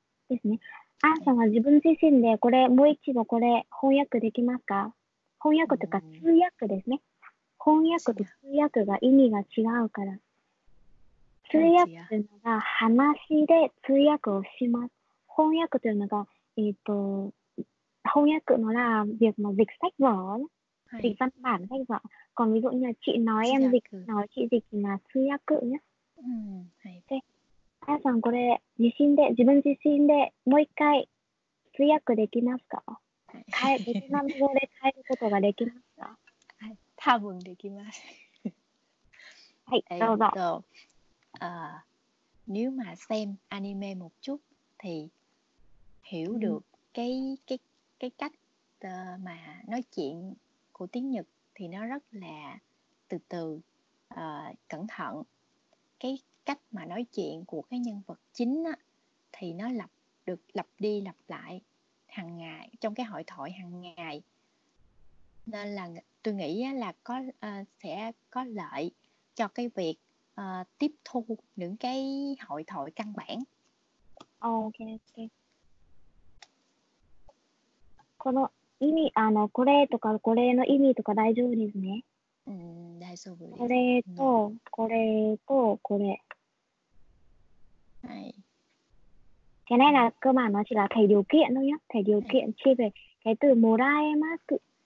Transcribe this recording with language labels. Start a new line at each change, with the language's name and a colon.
Japanese: ですね。アンさんは自分自身でこれもう一度これ翻訳できますか？翻訳というか通訳ですね。翻訳と通訳が意味が違うから。通訳というのが話で通訳をします。翻訳というのが翻訳のら、
Vietnamese: việc mà dịch sách vở, dịch văn bản sách vở. Còn ví dụ như chị nói em dịch, nói chị dịch là通訳nhé.
Japanese: はい。で、あやさんこれ自身で自分自身でもう一回通訳できますか？はい。ベトナム語で変えることができますか？はい。多分できます。はい。どうぞ。
Vietnamese: nếu mà xem anime một chút thì hiểu được cái cách mà nói chuyện của tiếng Nhật thì nó rất là từ từ, cẩn thận. Cái cách mà nói chuyện của cái nhân vật chính á, thì nó lặp đi lặp lại hàng ngày trong cái hội thoại hàng ngày. Nên là tôi nghĩ là sẽ có lợi cho cái việc tiếp thu những cái hội thoại căn bản. Ok, ok.
Japanese: この意味、これとかこれの意味とか大丈夫ですね。うん、大丈夫です。これと、これと、これ。はい。じゃないな、クマの字が、手条件のよ。手条件、チーベ、もらえます。